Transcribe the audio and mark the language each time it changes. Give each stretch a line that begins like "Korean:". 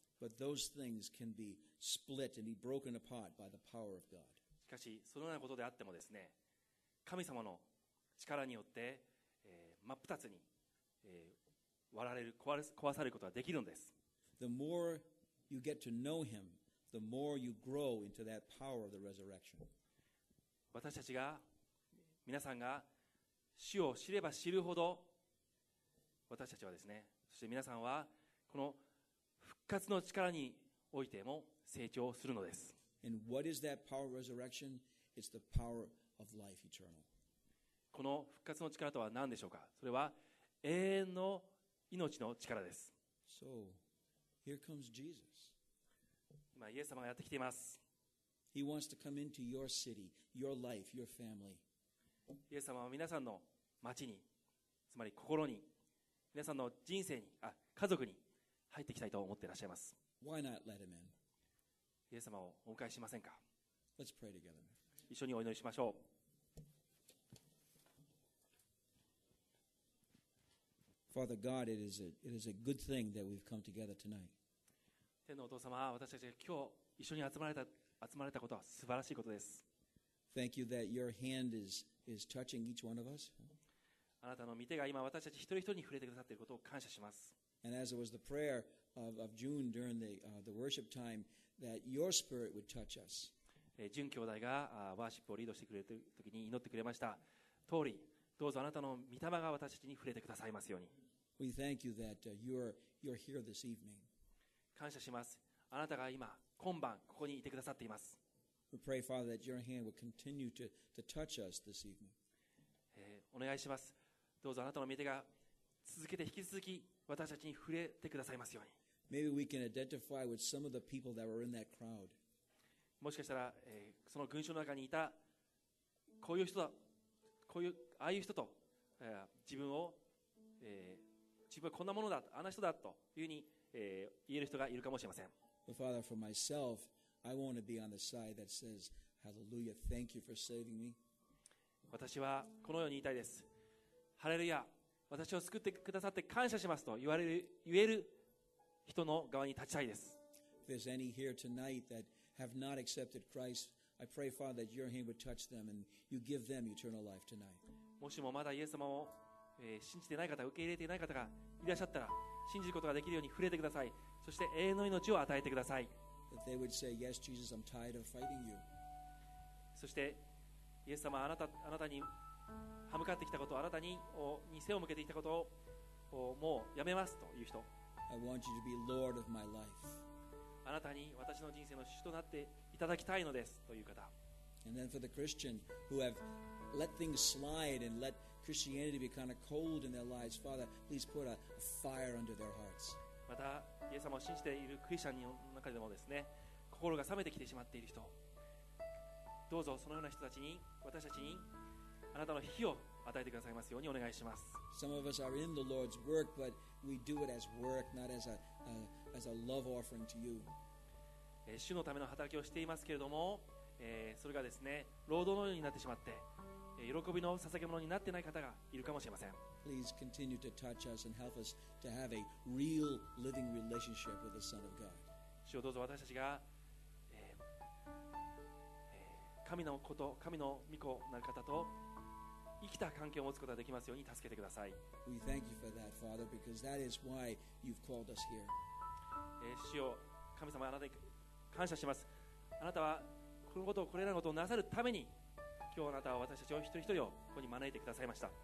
English: But those things can be split and be broken apart by the power of God.
Japanese: しかしそのようなことであってもですね、神様の力によって、真っ二つに、割られる、壊されることができるんです。
English: The more you get to know him, the more you grow into that power of the resurrection.
Japanese: 私たちが、皆さんが主を知れば知るほど、私たちはですね、そして皆さんはこの復活の力においても成長するのです。
English: And what is that power of resurrection? It's the power of life eternal.
Japanese: この復活の力とは何でしょうか？それは永遠の命の力です。
English: So, here comes Jesus.
Japanese: 今イエス様がやってきています。
English: He wants to come into your city, your life, your family.
Japanese: イエス様は皆さんの町に、つまり心に、皆さんの人生に、家族に、入ってきたいと思っていらっしゃいます。
English: Why not let him in?
Japanese: イエス様をお迎えしませんか。
English: Let's pray together.
Japanese: 一緒にお祈りしましょう。
English: Father God, it is a good thing that we've come together tonight.
Japanese: 天のお父様、私たちが今日一緒に集まれたことは素晴らしいことです。
English: Thank you that your hand is touching each one of us.
Japanese: あなたの御手が今私たち一人一人に触れてくださっていることを感謝します。
English: And as it was the prayer of June during the worship time, that your spirit would touch us.
Japanese: June 兄弟がワーシップをリードしてくれる時に祈ってくれました通り、どうぞあなたの御霊が私たちに触れてくださいますように。
English: We thank you that you're here this evening.
Japanese: 感謝します。あなたが今、今晩、ここにいてくださっています。
English: We pray, Father, that your hand would continue to touch us this evening.
Japanese: お願いします。どうぞあなたの御手が続けて引き続き私たちに触れてくださいますように。
English: Maybe we can identify with some of the people that were in that crowd.
Japanese: もしかしたら、その群衆の中にいたこういう人だ、こういうああいう人と、自分はこんなものだ、あんな人だというふうに、言える人がいるかもしれません。
English: But Father, for myself, I want to be on the side that says, Hallelujah, thank you for saving me.
Japanese: 私はこのように言いたいです。ハレルヤ、私を救ってくださって感謝しますと言われる、言える人の側に立ちたいです。
English: If there's any here tonight that have not accepted Christ,I pray, Father, that your hand would touch them and you give them eternal life tonight.
Japanese: もしもまだイエス様を、信じてない方、受け入れていない方がいらっしゃったら、信じることができるように触れてください。そして永遠の命を与えてください。
English: That they would say, Yes, Jesus, I'm tired of fighting you.
Japanese: そして、イエス様、あなたに歯向かってきたこと、あなたに背を向けてきたことをもうやめますという人。
English: I want you to be Lord of my life.
Japanese: あなたに私の人生の主となっていただきたいのですという方。
English: And then for the Christian who have let things slide and let Christianity be kind of cold in their lives, Father, please put a fire under their hearts.
Japanese: また、イエス様を信じているクリスチャンの中でもですね、心が冷めてきてしまっている人、どうぞそのような人たちに、私たちにあなたの火を与えてくださいますようにお願いします。
English: Some of us are in the Lord's work, but we do it as work, not as a love offering to you.
Japanese: 主のための働きをしていますけれども、それがですね、労働のようになってしまって、喜びの捧げ物になっていない方がいるかもしれません。
English: Please continue to touch us and help us to have a real living relationship with the Son of God.
Japanese: 主をどうぞ私たちが、神のこと、神の御子なる方と生きた関係を持つことができますように助けてください。
English: We thank you for that, Father, because that is why you've called us here.
Japanese: 主よ、神様、あなたに感謝します。あなたはこのことをこれらのことをなさるために、今日あなたは私たちを一人一人をここに招いてくださいました。